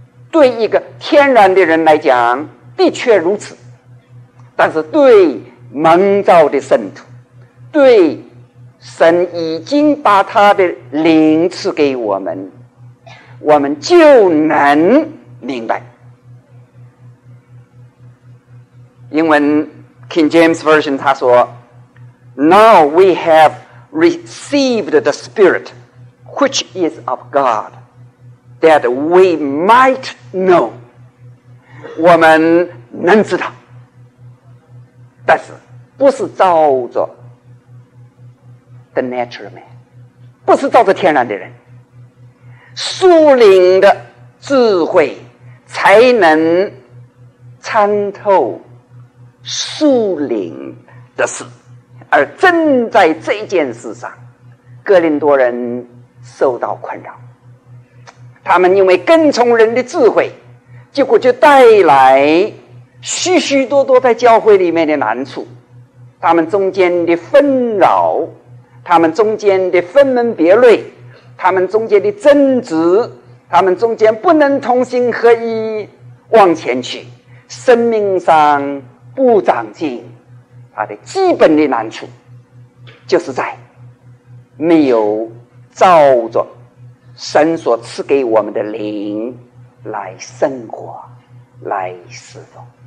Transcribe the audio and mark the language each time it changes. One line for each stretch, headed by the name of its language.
Chinese: 对一个天然的人来讲的确如此，但是对蒙召的圣徒，对神已经把他的灵赐给我们，我们就能明白。英文
English: King James Version
Chinese: 他说
English: Now we have received the Spirit which is of God that we might know，
Chinese: 我们能知道，但是不是照着
English: the natural man，
Chinese: 不是照着天然的人，属灵的智慧才能参透属灵的事。而正在这件事上，哥林多人受到困扰，他们因为跟从人的智慧，结果就带来许许多多在教会里面的难处，他们中间的纷扰，他们中间的分门别类，他们中间的争执，他们中间不能同心合一往前去，生命上不长进，他的基本的难处就是在没有照着神所赐给我们的灵来生活，来侍奉。